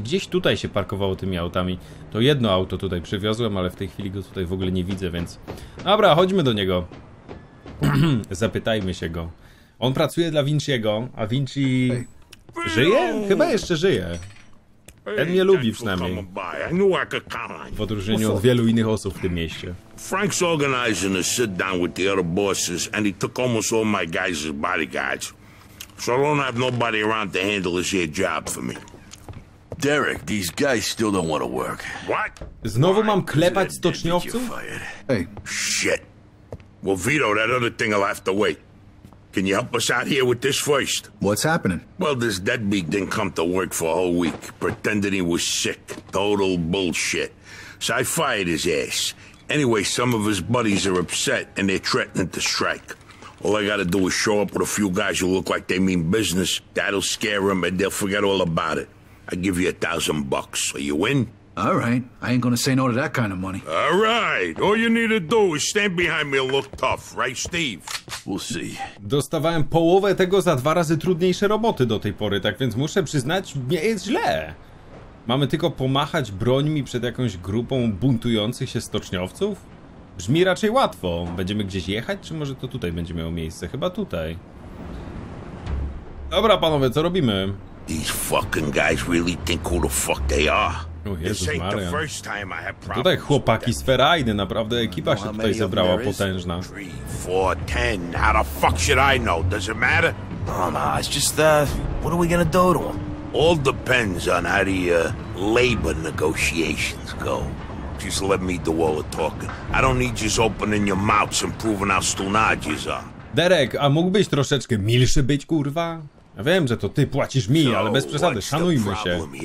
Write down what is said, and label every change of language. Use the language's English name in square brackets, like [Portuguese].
[Polish] Gdzieś tutaj się parkowało tymi autami. To jedno auto tutaj przywiozłem, ale w tej chwili go tutaj w ogóle nie widzę, więc... Dobra, chodźmy do niego. Zapytajmy się go. On pracuje dla Vinci'ego, a Vinci... Żyje? Chyba jeszcze żyje. Ten mnie lubi przynajmniej. W odróżnieniu od wielu innych osób w tym mieście. [English] Frank's organizing a sit down with the other bosses and he took almost all my guys' bodyguards. So I don't have nobody around to handle this here job for me. Derek, these guys still don't want to work. What? [Polish] Znowu mam klepać stoczniowców? [English] Hey. Shit. Well, Vito, that other thing will have to wait. Can you help us out here with this first? What's happening? Well, this deadbeat didn't come to work for a whole week, pretending he was sick. Total bullshit. So I fired his ass. Anyway, some of his buddies are upset, and they're threatening to strike. All I gotta do is show up with a few guys who look like they mean business. That'll scare them, and they'll forget all about it. I give you $1,000. Are you in? All right. I ain't gonna say no to that kind of money. All right. All you need to do is stand behind me and look tough, right, Steve? We'll see. [Polish] Dostawałem połowę tego za dwa razy trudniejsze roboty do tej pory, tak więc muszę przyznać, nie jest źle. Mamy tylko pomachać brońmi przed jakąś grupą buntujących się stoczniowców? Brzmi raczej łatwo. Będziemy gdzieś jechać, czy może to tutaj będzie miało miejsce? Chyba tutaj. Dobra, panowie, co robimy? [English] These fucking guys really think who the fuck they are. [Polish] O Jezus Maria. Tutaj chłopaki z Ferajny, naprawdę ekipa się tutaj zebrała potężna. 3, 4, 10. [English] How the fuck should I know? Does it matter? Oh, no, it's just what are we gonna do to them? All depends on how the labor negotiations go. Just let me do all the talking. I don't need you just opening your mouths and proving how stonages are. [Polish] Derek, a mógłbyś troszeczkę milszy być, kurwa? Ja wiem, że to ty płacisz mi, ale bez przesady, szanujmy się.